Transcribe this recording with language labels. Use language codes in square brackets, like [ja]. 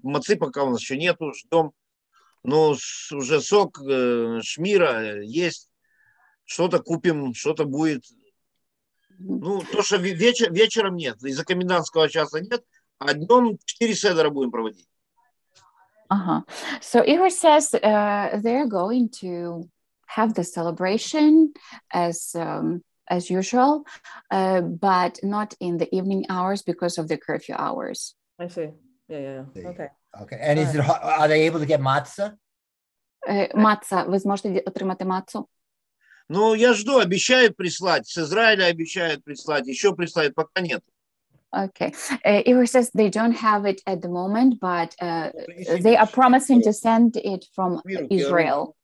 [ru] Мацы пока у нас еще нету, ждем. Но уже сок шмира есть, что-то купим, что-то будет. Ну, то, что вечером нет, из-за комендантского часа нет, а днем 4 седера будем проводить. Ага. Uh-huh. [en] So Igor says they're going to have the celebration as usual, but not in the evening hours because of the curfew hours. I see. Yeah. Okay. Okay. And is it, are they able to get matzah? Matzah. [uk] Ви зможете отримати матцу? [ru] Ну, я жду, обещают прислать. С Израиля обещают прислать. Еще прислать пока нет. [en] Okay. Igor says they don't have it at the moment, but they are promising to send it from Israel.